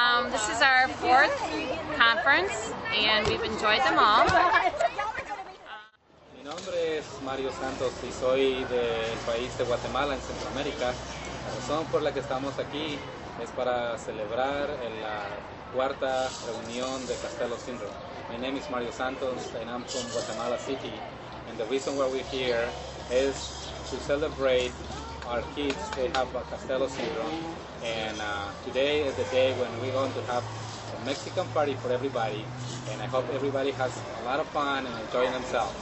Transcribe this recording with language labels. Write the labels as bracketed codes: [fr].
[en] This is our fourth conference, and we've enjoyed them all. [es] Mi nombre es Mario Santos y soy del país de Guatemala en Centroamérica. La razón por la que estamos aquí es para celebrar la cuarta reunión de Costello syndrome. [en] My name is Mario Santos and I'm from Guatemala City. And the reason why we're here is to celebrate our kids. They have a Costello syndrome. And today is the day when we're going to have a Mexican party for everybody. And I hope everybody has a lot of fun and enjoying themselves.